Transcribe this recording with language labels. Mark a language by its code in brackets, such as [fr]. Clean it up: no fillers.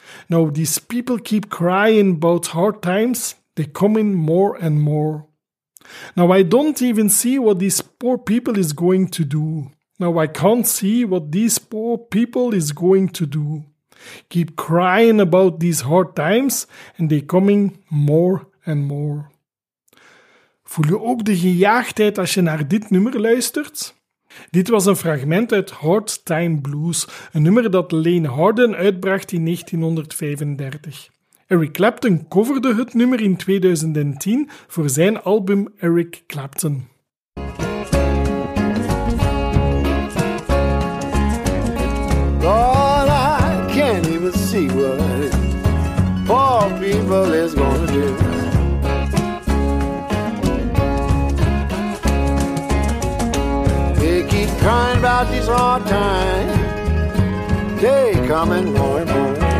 [en] Now these people keep crying about hard times, they come in more and more. Now I don't even see what these poor people is going to do. Now I can't see what these poor people is going to do. Keep crying about these hard times and they coming more and more. [nl] Voel je ook de gejaagdheid als je naar dit nummer luistert? Dit was een fragment uit Hard Time Blues, een nummer dat Lane Hardin uitbracht in 1935. Eric Clapton coverde het nummer in 2010 voor zijn album Eric Clapton. [en] Lord, I can't even see what poor people is gonna do. Crying about these hard times, they coming more and more.